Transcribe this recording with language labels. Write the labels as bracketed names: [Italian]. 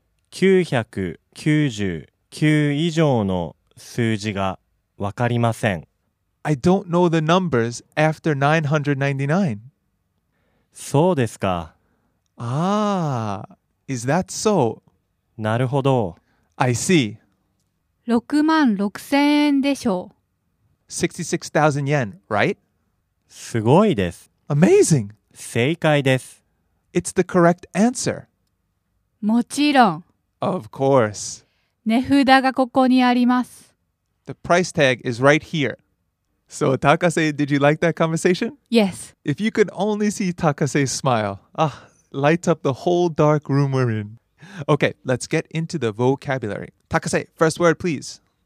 [Japanese] 999以上の数字がわかりません。 [English] I don't know the numbers after 999. [Japanese] そうですか。 [English] Ah, is that so? [Japanese] なるほど。 [English] I see. [Japanese] 66,000円でしょう。 [English] 66,000 yen, right? [Japanese] すごいです。 [English] Amazing! [Japanese] 正解です。 [English] It's the correct answer. [Japanese] もちろん。 [English] Of course. [Japanese] 値札がここにあります。 [English] The price tag is right here. So, Takase, did you like that conversation? Yes. If you could only see Takase's smile, lights up the whole dark room we're in. Okay, let's get into the vocabulary. Takase, first word, please.